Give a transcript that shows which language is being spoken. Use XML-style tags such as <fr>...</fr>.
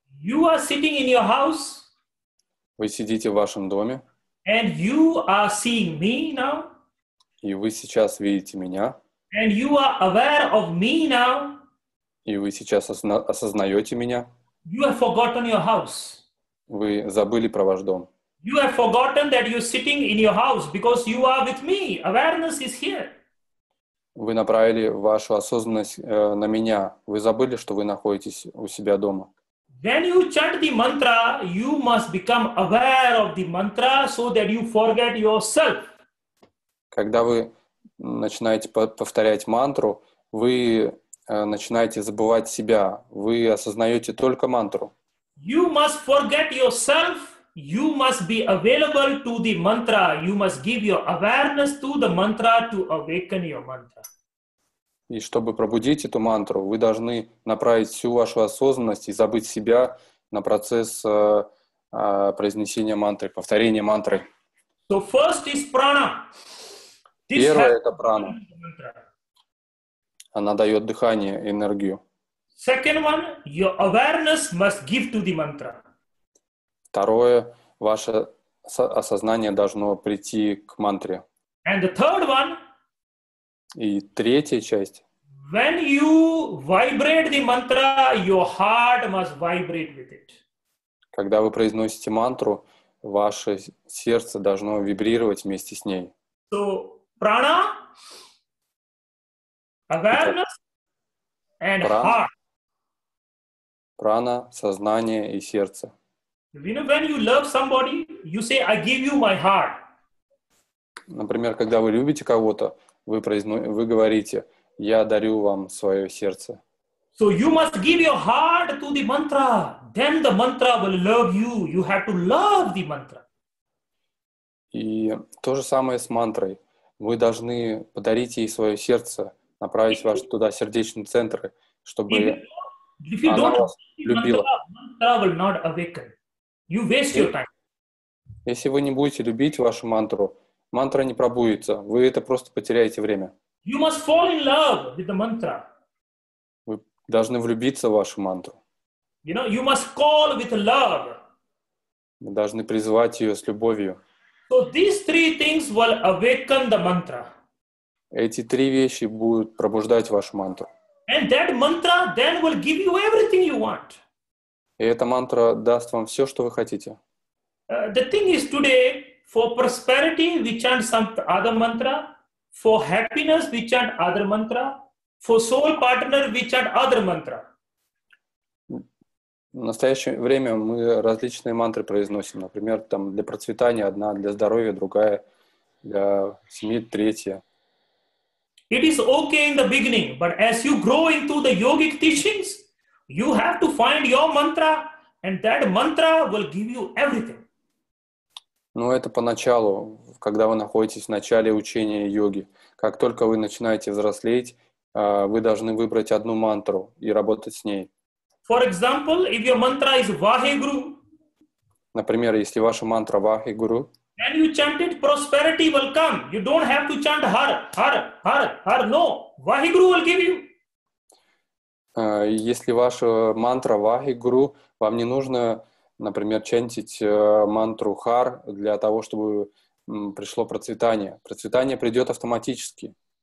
<en>You are sitting in your house.</en> <ru>Вы сидите в вашем доме.</ru> <en>And you are seeing me now.</en> <ru>И вы сейчас видите меня.</ru> <en>And you are aware of me now.</en> <ru>И вы сейчас осознаете меня.</ru> <en>You have forgotten your house.</en> <ru>Вы забыли про ваш дом.</ru> <en>You have forgotten that you're sitting in your house because you are with me. Awareness is here.</en> <ru>Вы направили вашу осознанность на меня. Вы забыли, что вы находитесь у себя дома.</ru> <en>When you chant the mantra, you must become aware of the mantra so that you forget yourself.</en> <ru>Когда вы начинаете повторять мантру, вы начинаете забывать себя. Вы осознаете только мантру.</ru> <en>You must forget yourself. You must be available to the mantra. You must give your awareness to the mantra to awaken your mantra.</en> <ru>И чтобы пробудить эту мантру, вы должны направить всю вашу осознанность и забыть себя на процесс произнесения мантры, повторения мантры.</ru> <en>So first is prana.</en> <ru>Первое — это прана. Она дает дыхание, энергию.</ru> <en>Second one, your awareness must give to the mantra.</en> <ru>Второе, ваше осознание должно прийти к мантре.</ru> <en>And the third one,</en> <ru>и третья часть.</ru> <en>When you vibrate the mantra, your heart must vibrate with it.</en> <ru>Когда вы произносите мантру, ваше сердце должно вибрировать вместе с ней.</ru> <en>So, prana, awareness, and heart.</en> <ru>Прана, сознание и сердце.</ru> <en>You know, when you love somebody, you say, I give you my heart.</en> <ru>Например, когда вы любите кого-то, вы говорите, я дарю вам свое сердце.</ru> <en>So you must give your heart to the mantra. Then the mantra will love you. You have to love the mantra.</en> <ru>И то же самое с мантрой. Вы должны подарить ей свое сердце, направить ваш туда сердечный центр, чтобы она вас любила.</ru> <en>Mantra will not awaken. You waste your time.</en> <ru>Если вы не будете любить вашу мантру, мантра не пробудится. Вы это просто потеряете время.</ru> <en>You must fall in love with the mantra.</en> <ru>Вы должны влюбиться в вашу мантру.</ru> <en>You know, you must call with love.</en> <ru>Вы должны призывать ее с любовью.</ru> <en>So these three things will awaken the mantra.</en> <ru>Эти три вещи будут пробуждать вашу мантру.</ru> <en>And that mantra then will give you everything you want.</en> <ru>И эта мантра даст вам все, что вы хотите.</ru> <en>The thing is today, for prosperity, we chant some other mantra. For happiness, we chant other mantra. For soul partner, we chant other mantra.</en> <ru>В настоящее время мы различные мантры произносим. Например, там для процветания одна, для здоровья другая, для семьи третья.</ru> <en>It is okay in the beginning, but as you grow into the yogic teachings, you have to find your mantra, and that mantra will give you everything.</en> <ru>Ну, это поначалу, когда вы находитесь в начале учения йоги. Как только вы начинаете взрослеть, вы должны выбрать одну мантру и работать с ней.</ru> <en>For example, if your mantra is Vaheguru,</en> <ru>например, если ваша мантра Vaheguru,</ru> <en>then you chant it, prosperity will come. You don't have to chant Har, Har, Har, Har. No, Vaheguru will give you.</en> <ru>Если ваша мантра Vaheguru, вам не нужно, например, чантить мантру Хар для того, чтобы пришло процветание. Процветание придет автоматически.</ru>